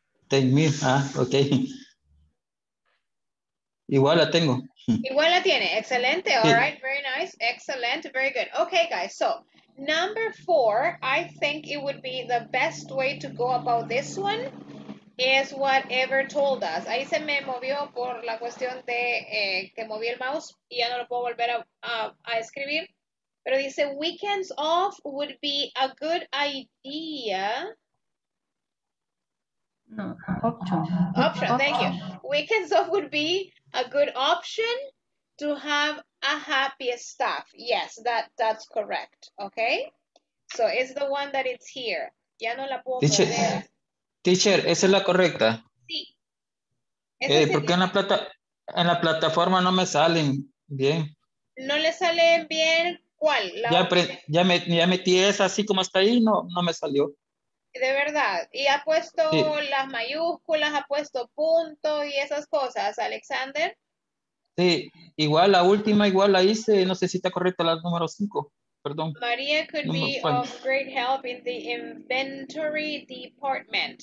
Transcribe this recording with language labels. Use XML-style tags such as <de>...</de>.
<en>Tell me, okay.</en> <es>Igual la tengo. Igual la tiene, excelente.</es> <en>All right, very nice, excellent, very good. Okay, guys, so number four, I think it would be the best way to go about this one. Is what Ever told us.</en> <es>Ahí se me movió por la cuestión de que moví el mouse y ya no lo puedo volver a escribir. Pero dice,</es> <en>weekends off would be a good idea. No, option. Option, thank you. Weekends off would be a good option to have a happy staff. Yes, that's correct, okay? So it's the one that it's here.</en> <es>Ya no la puedo poner. Teacher, ¿esa es la correcta? Sí. Porque en la plataforma no me salen bien. ¿No le salen bien cuál? Ya metí esa así como está ahí, no me salió. De verdad. Y ha puesto sí. Las mayúsculas, ha puesto punto y esas cosas, Alexander. Sí, igual la última, igual la hice, no sé si está correcta la número 5. Perdón.</es> <en>Maria could be of great help in the inventory department.</en>